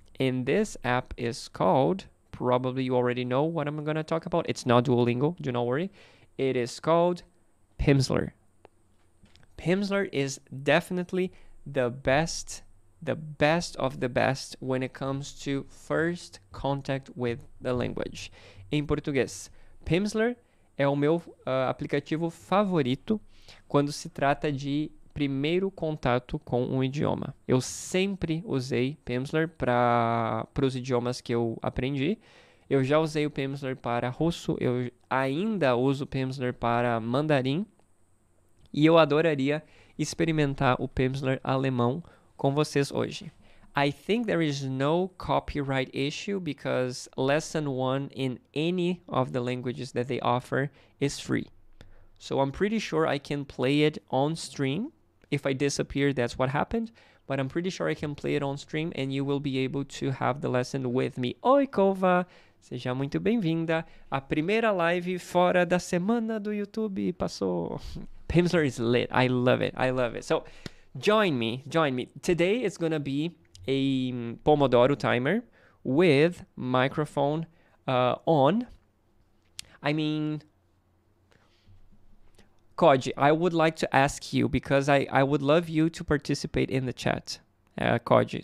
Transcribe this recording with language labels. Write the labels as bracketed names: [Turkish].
[English] And this app is called, probably you already know what I'm gonna talk about. It's not Duolingo, do not worry. It is called Pimsleur. Pimsleur is definitely the best of the best when it comes to first contact with the language. [Portuguese] Em português, Pimsleur é o meu aplicativo favorito quando se trata de primeiro contato com um idioma. Eu sempre usei Pimsleur para os idiomas que eu aprendi. Eu já usei o Pimsleur para russo, eu ainda uso o Pimsleur para mandarim e eu adoraria experimentar o Pimsleur alemão com vocês hoje. [English] I think there is no copyright issue because lesson one in any of the languages that they offer is free. So I'm pretty sure I can play it on stream. If I disappear, that's what happened. But I'm pretty sure I can play it on stream and you will be able to have the lesson with me. [Portuguese] Oi, Kova! Seja muito bem-vinda à primeira live fora da semana do YouTube. Passou! [English] Pimsleur is lit. I love it. I love it. So, join me. Today it's gonna be a Pomodoro timer with microphone on. I mean, Koji, I would like to ask you because I would love you to participate in the chat, Koji.